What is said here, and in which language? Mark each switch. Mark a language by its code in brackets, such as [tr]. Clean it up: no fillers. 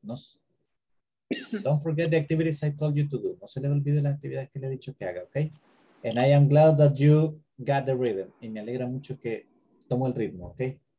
[en] No, don't forget the activities I told you to do. [es] No se le olvide las actividades que le he dicho que haga, okay? [en] And I am glad that you got the rhythm. [es] Y me alegra mucho que tomó el ritmo, okay?